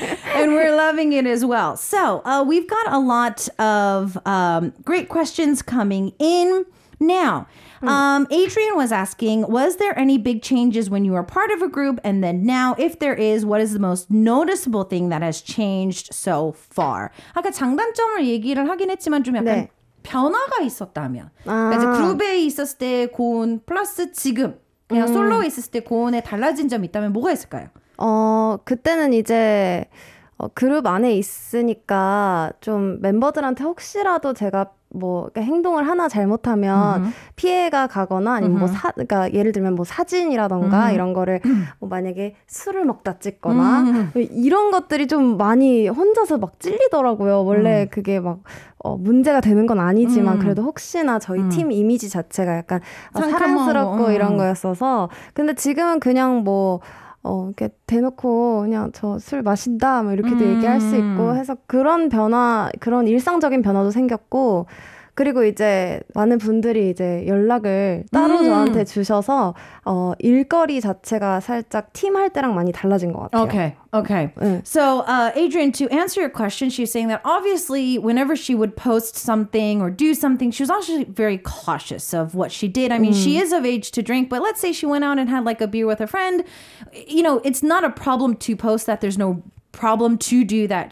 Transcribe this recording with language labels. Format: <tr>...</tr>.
<en>And we're loving it as well. So we've got a lot of great questions coming in. Now, Adrian was asking, was there any big changes when you were part of a group? And then now, if there is, what is the most noticeable thing that has changed so far?</en> <ko>아까 장단점을 얘기를 하긴 했지만 좀 약간 네. 변화가 있었다면. 그러니까 이제 그룹에 있었을 때 고은 플러스 지금 그냥 솔로에 있었을 때 고은에 달라진 점이 있다면 뭐가 있을까요? 그때는 이제 그룹 안에 있으니까 좀 멤버들한테 혹시라도 제가 뭐 그러니까 행동을 하나 잘못하면 피해가 가거나 아니면 뭐 사 그러니까 예를 들면 뭐 사진이라던가 이런 거를 뭐 만약에 술을 먹다 찍거나 이런 것들이 좀 많이 혼자서 막 찔리더라고요. 원래 그게 막 문제가 되는 건 아니지만 그래도 혹시나 저희 팀 이미지 자체가 약간 사랑스럽고 이런 거였어서 근데 지금은 그냥 뭐 이렇게 대놓고 그냥 저 술 마신다 뭐 이렇게도 얘기할 수 있고 해서 그런 변화 그런 일상적인 변화도 생겼고 그리고 이제 많은 분들이 이제 연락을 따로 저한테 주셔서 일거리 자체가 살짝 팀할 때랑 많이 달라진 것 같아요.</ko> <en>Okay. Okay. So, Adrian, to answer your question, she's saying that obviously whenever she would post something or do something, she was also very cautious of what she did. I mean, she is of age to drink, but let's say she went out and had like a beer with a friend. You know, it's not a problem to post that. There's no problem to do that.</en>